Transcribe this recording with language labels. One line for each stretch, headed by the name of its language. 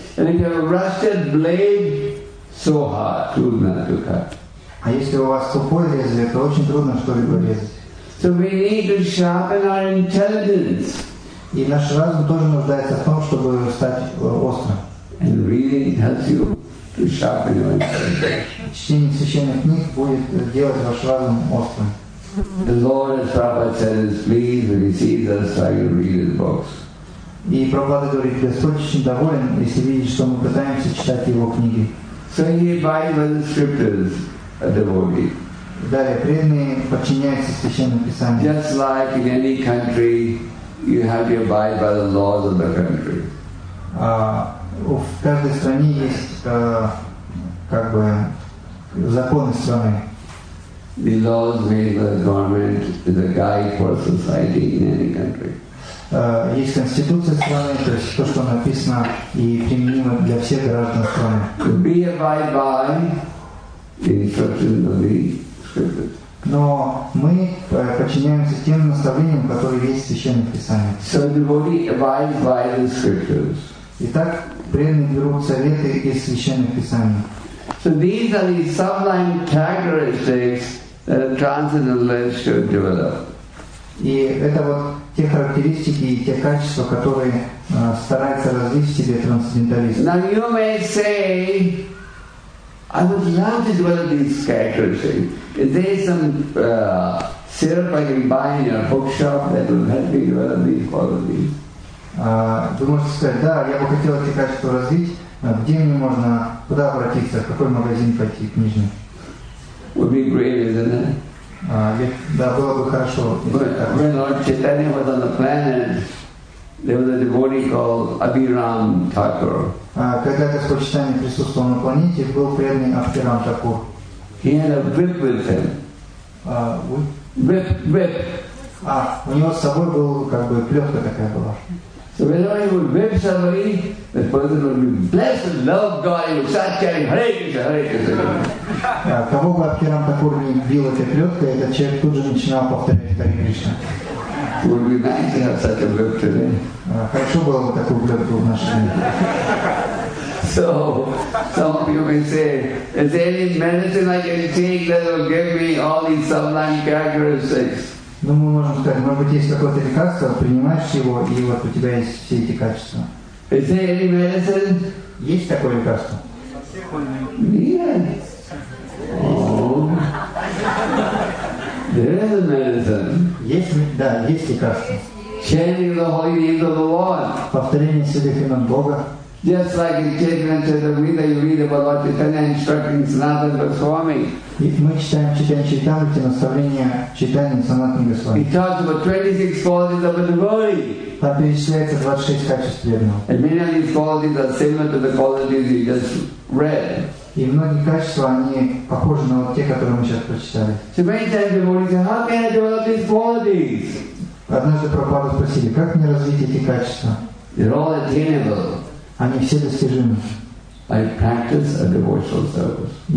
English: And if you have a rusted blade, so hard, too hard to cut.
Russian: А если у вас тупое лезвие, то очень трудно что-либо резать.
English: So we need to sharpen our intelligence.
Russian: И наш разум тоже нуждается в том, чтобы стать острым.
English: And reading helps you to sharpen your intelligence.
Russian: Чтение священных книг будет делать ваш разум острым.
English: The Lord, as Prabhupada said, is pleased when he sees us trying to read his books.
Russian: И Прабхупада говорит, Господь очень доволен, если видит, что мы пытаемся читать его книги.
English: So he abides by the scriptures, a devotee.
Russian: Далее, преданные подчиняются Священным Писаниям.
English: Just like in any country, you have to abide by the laws of the country.
Russian: В каждой стране есть законы страны.
English: The laws made by the government is a guide for society in any country.
Russian: Есть конституция страны, то есть то, что написано и применимо для всех граждан страны.
English: To be abide by the instructions of the
Russian: Но мы подчиняемся тем наставлениям, которые есть в Священном Писании.
English: So devotee abides by the scriptures.
Russian: Итак, преданные берут советы из Священных Писаний.
English: So these are the sublime characteristics that a transcendentalist should develop.
Russian: И это вот те характеристики и те качества, которые стараются развить в себе трансценденталист.
English: Now you may say, I would love to develop these characteristics. If there is some syrup I can buy in your bookshop that will help me develop these qualities.
Russian: Вы можете сказать, да, я бы хотел эти качества развить. Где мне можно, куда обратиться, в какой магазин пойти, книжный?
English: Would be great, isn't it?
Russian: Да, было бы хорошо.
English: When Lord Chaitanya was on the planet, there was a devotee called Abhiram Thakur.
Russian: Когда Господь Читание присутствовал на планете, был преданный Абхирам Такур.
English: He had a whip with him. Whip.
Russian: У него с собой был плетка такая была.
English: So whenever he would whip somebody, the person would be blessed and love God, he would start chanting Hare Krishna, Hare Krishna.
Russian: Кого бы Абхирам Такур не бил этой плеткой, этот человек тут же начинал повторять Hare Krishna.
English: Would be nice to have such a whip today.
Russian: Хорошо было бы такую плетку в нашем мире.
English: So, some of you may say, is there any medicine I can take that will give me all these sublime characteristics?
Russian: Ну, мы можем сказать, может быть, есть какое-то лекарство, принимаешь его, и вот у тебя есть все эти качества.
English: Is there any medicine?
Russian: Есть такое лекарство?
English: Yes. Oh. There is a medicine.
Russian: Есть лекарство.
English: Chanting the holy names of the Lord.
Russian: Повторение святых имен Бога.
English: Just like in Chaitanya Charitamrita, you read about Lord Chaitanya instructing Sanatana Goswami.
Russian: Мы читаем Chaitanya Charitamrita, наставления Chaitanya Sanatana Goswami.
English: He talks about 26 qualities of a devotee.
Russian: Там перечисляется 26 качеств преданного.
English: And many of these qualities are similar to the qualities you just read.
Russian: И многие качества, они похожи на те, которые мы сейчас прочитали.
English: So many times devotees say, how can I develop these qualities?
Russian: Однажды Прабхупада спросили, как мне развить эти качества?
English: They're all attainable.
Russian: Они все достижимы.
English: I practice a devotional service.